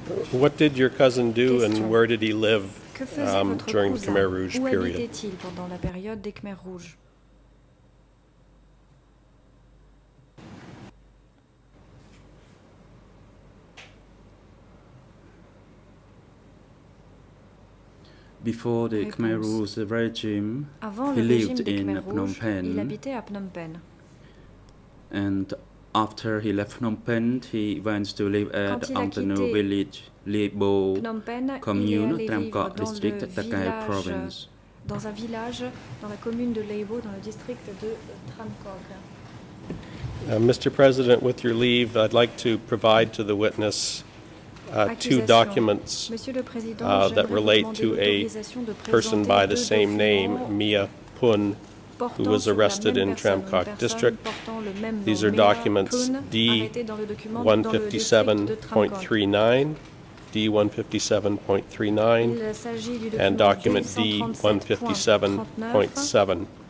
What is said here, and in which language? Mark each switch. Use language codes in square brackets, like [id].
[en] What did your cousin do and where did he live during the Khmer Rouge period? [fr] Où habitait-il pendant la période des Khmer Rouge? [en] Before the Khmer Rouge regime, [fr] avant [en] he lived in Phnom Penh. [fr] Il habitait à Phnom Penh. [en] And after he left Phnom Penh, he went to live at the new village, Libo Phnom Penh, commune, Tramkot district, Takai province. [fr] Dans un village, dans la commune de Libo, dans le district de Tramkot. [en] Mr. President, with your leave, I'd like to provide to the witness two documents that relate to a person by the same name, Mia Poon, who was arrested in Tramkot district. These are documents D-157.39, D-157.39, and document D-157.7.